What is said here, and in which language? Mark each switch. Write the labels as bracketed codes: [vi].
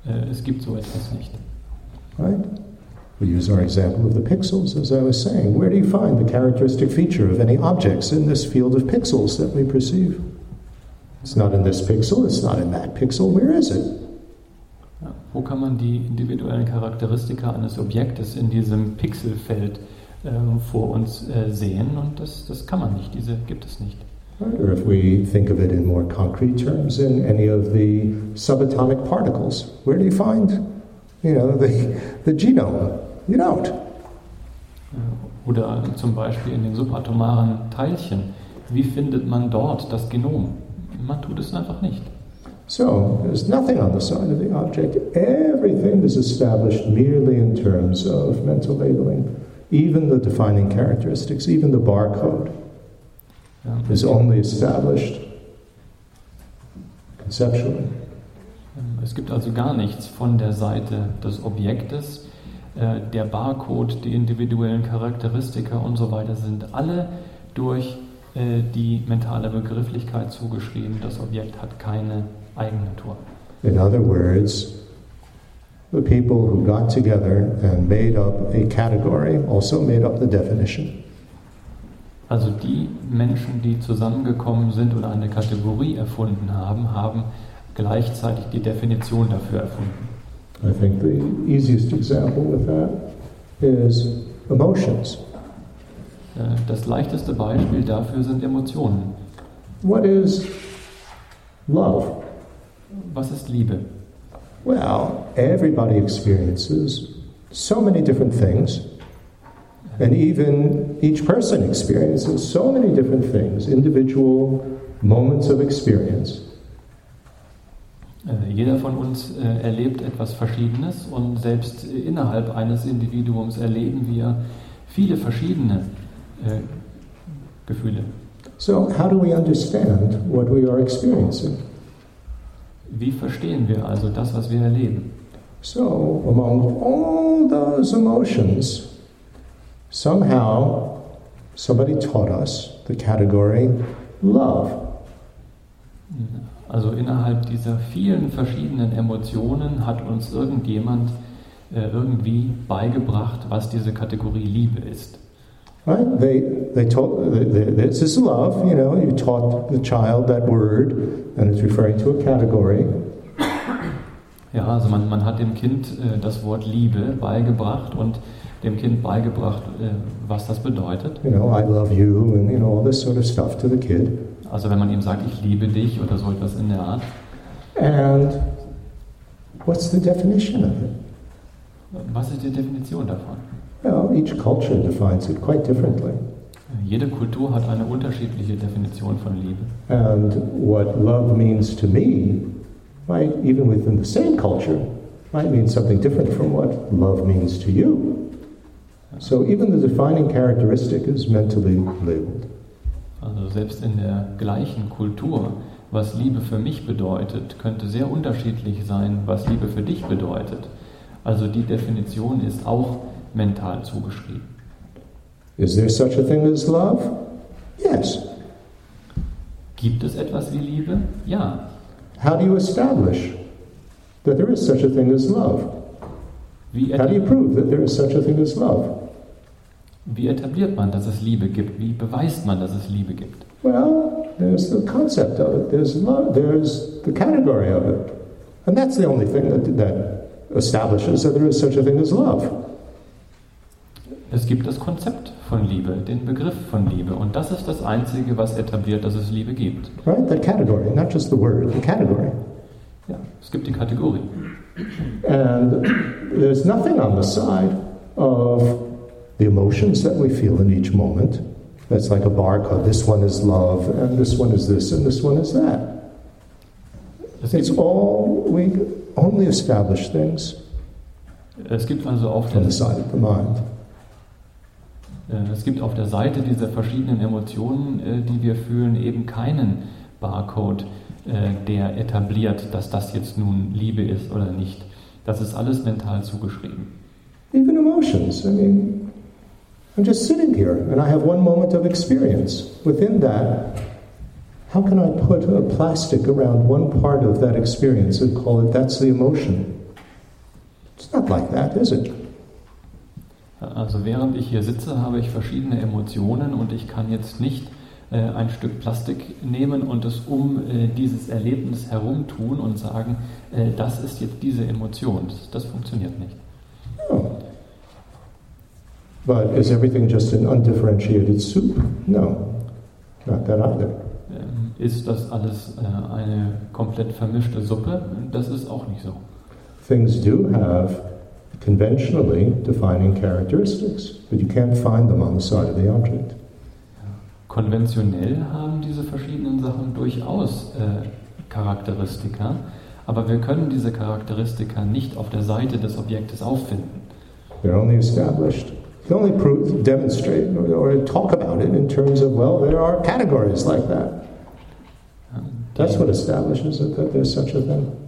[de] Es gibt so etwas nicht. [en] Right? We use our example of the pixels, as I was saying. Where do you find the characteristic feature of any objects in this field of pixels that we perceive? It's not in this pixel, it's not in that pixel. Where is it? [de] Wo kann man die individuellen Charakteristika eines Objektes in diesem Pixelfeld vor uns sehen? Und das kann man nicht, diese gibt es nicht. [en] Or if we think of it in more concrete terms, in any of the subatomic particles, where do you find, you know, the genome? You don't. [de] Oder zum Beispiel in den subatomaren Teilchen, wie findet man dort das Genom? Man tut es einfach nicht. [en] So, there's nothing on the side of the object. Everything is established merely in terms of mental labeling. Even the defining characteristics, even the barcode, is only established conceptually. [de] Es gibt also gar nichts von der Seite des Objektes. Der Barcode, die individuellen Charakteristika und so weiter sind alle durch die mentale Begrifflichkeit zugeschrieben. Das Objekt hat keine Eigennatur. [en] In other words, the people who got together and made up a category also made up the definition. [de] Also die Menschen, die zusammengekommen sind und eine Kategorie erfunden haben, haben gleichzeitig die Definition dafür erfunden. [en] I think the easiest example with that is emotions. [de] Das leichteste Beispiel dafür sind Emotionen. [en] What is love? [de] Was ist Liebe? [en] Well, everybody experiences so many different things, and even each person experiences so many different things, individual moments of experience. [de] Jeder von uns erlebt etwas Verschiedenes, und selbst innerhalb eines Individuums erleben wir viele verschiedene Gefühle. [en] So, how do we understand what we are experiencing? [de] Wie verstehen wir also das, was wir erleben? [en] So, among all those emotions, somehow somebody taught us the category love. [de] Also innerhalb dieser vielen verschiedenen Emotionen hat uns irgendjemand irgendwie beigebracht, was diese Kategorie Liebe ist. [en] Right? This is love, you know, you taught the child that word, and it's referring to a category. [de] Ja, also man hat dem Kind das Wort Liebe beigebracht und dem Kind beigebracht, was das bedeutet. [en] You know, I love you, and you know, all this sort of stuff to the kid. [de] Also wenn man ihm sagt, ich liebe dich, oder so etwas in der Art. [en] And what's the definition of it? [de] Was ist die Definition davon? [en] Well, each culture defines it quite differently. [de] Jede Kultur hat eine unterschiedliche Definition von Liebe. [en] And what love means to me might, even within the same culture, might mean something different from what love means to you. So even the defining characteristic is mentally labeled. [de] Also selbst in der gleichen Kultur, was Liebe für mich bedeutet, könnte sehr unterschiedlich sein, was Liebe für dich bedeutet. Also die Definition ist auch mental zugeschrieben. [en] Is there such a thing as love? Yes. [de] Gibt es etwas wie Liebe? Ja. [en] How do you establish that there is such a thing as love? How do you prove that there is such a thing as love? [de] Wie etabliert man, dass es Liebe gibt? Wie beweist man, dass es Liebe gibt? [en] Well, there's the concept of it. There's love. There's the category of it. And that's the only thing that establishes that there is such a thing as love. [de] Es gibt das Konzept von Liebe, den Begriff von Liebe, und das ist das Einzige, was etabliert, dass es Liebe gibt. [en] Right, the category, not just the word, the category. [de] Ja, es gibt die Kategorie. [en] And there's nothing on the side of the emotions that we feel in each moment. That's like a barcode. This one is love, and this one is this, and this one is that. It's all, we only establish things. [de] Es gibt also auch [en] from the side of the mind. [de] Es gibt auf der Seite dieser verschiedenen Emotionen, die wir fühlen, eben keinen Barcode, der etabliert, dass das jetzt nun Liebe ist oder nicht. Das ist alles mental zugeschrieben. [en] Even emotions. I mean, I'm just sitting here and I have one moment of experience. Within that, how can I put a plastic around one part of that experience and call it, that's the emotion? It's not like that, is it? [de] Also während ich hier sitze, habe ich verschiedene Emotionen und ich kann jetzt nicht ein Stück Plastik nehmen und es um dieses Erlebnis herum tun und sagen, das ist jetzt diese Emotion. Das funktioniert nicht. [en] Oh. But is everything just an undifferentiated soup? No, not that either. [de] Ist das alles eine komplett vermischte Suppe? Das ist auch nicht so. [en] Things do have conventionally defining characteristics, but you can't find them on the side of the object. [de] Konventionell haben diese verschiedenen Sachen durchaus Charakteristika, aber wir können diese Charakteristika nicht auf der Seite des Objektes auffinden. [en] They're only established. You can only prove, demonstrate, or talk about it in terms of, well, there are categories like that. That's what establishes it, that there's such a thing.